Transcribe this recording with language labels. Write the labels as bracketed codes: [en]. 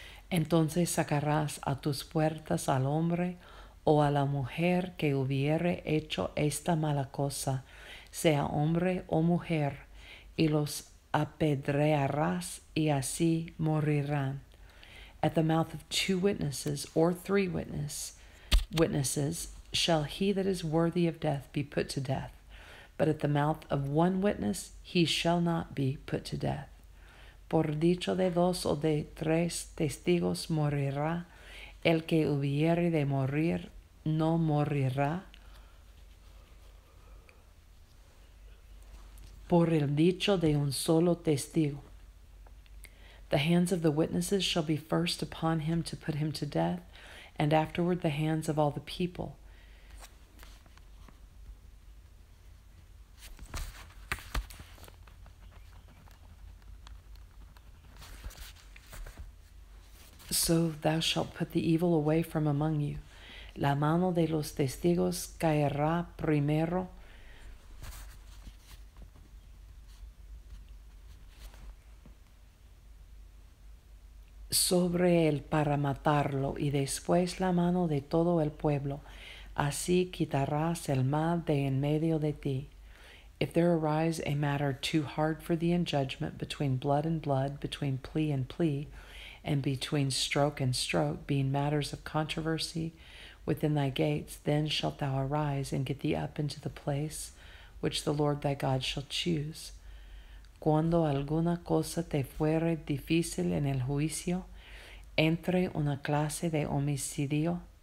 [es] Entonces sacarás a tus puertas al hombre o a la mujer que hubiere hecho esta mala cosa, sea hombre o mujer, y los apedrearás y así morirán. [en] at the mouth of two witnesses or three witnesses shall he that is worthy of death be put to death. But at the mouth of one witness, he shall not be put to death. [es] Por dicho de dos o de tres testigos morirá. El que hubiere de morir no morirá. Por el dicho de un solo testigo. [en] The hands of the witnesses shall be first upon him to put him to death, and afterward the hands of all the people. So thou shalt put the evil away from among you. [es] La mano de los testigos caerá primero. Sobre él para matarlo, y después la mano de todo el pueblo. Así quitarás el mal de en medio de ti. [en] If there arise a matter too hard for thee in judgment, between blood and blood, between plea and plea, and between stroke and stroke, being matters of controversy within thy gates, then shalt thou arise and get thee up into the place which the Lord thy God shall choose. [es] Cuando alguna cosa te fuere difícil en el juicio, entre una clase de homicidio,